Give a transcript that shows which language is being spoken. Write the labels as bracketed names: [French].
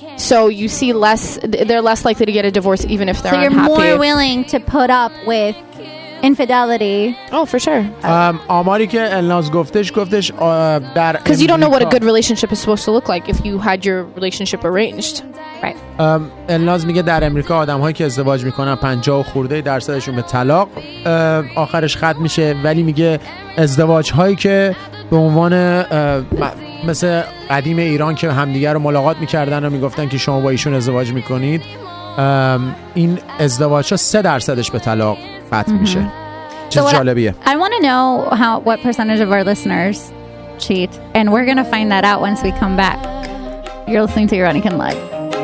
[English] So you see less. They're less likely to get a divorce, even if they're unhappy. So you're more willing to put up with infidelity. Oh, for sure. [Persian] آماری که الناز گفتش در [English] because you don't know what a good relationship is supposed to look like if you had your relationship arranged. Right. [Persian] الناز میگه در امریکا آدمهایی که ازدواج میکنن 50%-ش به طلاق آخرش ختم میشه، ولی میگه ازدواج هایی که به عنوان مثل قدیم ایران که همدیگر رو ملاقات میکردن و میگفتن که شما با ایشون ازدواج میکنید، این ازدواج ها 3%-ش به طلاق ختم میشه. چیز جالبیه. [English] I want to know what percentage of our listeners cheat, and we're going to find that out once we come back. You're listening to Ironic and Lug.